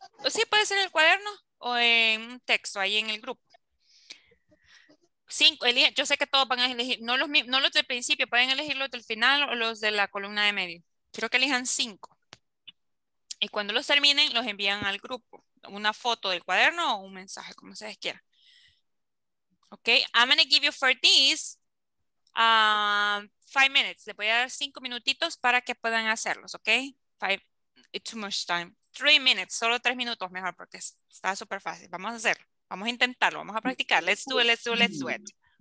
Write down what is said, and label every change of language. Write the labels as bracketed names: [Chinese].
[Spanish] Sí, puede ser en el cuaderno o en un texto ahí en el grupo. 5, elige. Yo sé que todos van a elegir, no los del principio, pueden elegir los del final o los de la columna de medio. Quiero que elijan 5. Y cuando los terminen, los envían al grupo. Una foto del cuaderno o un mensaje, como ustedes quieran. [English] Ok, I'm going to give you for this 5 minutes. [Spanish] Les voy a dar 5 minutitos para que puedan hacerlos, ok. [English] 5, it's too much time. 3 minutes, [Spanish] solo 3 minutos mejor porque está súper fácil. Vamos a hacerlo, vamos a intentarlo, vamos a practicar. [English] Let's do it.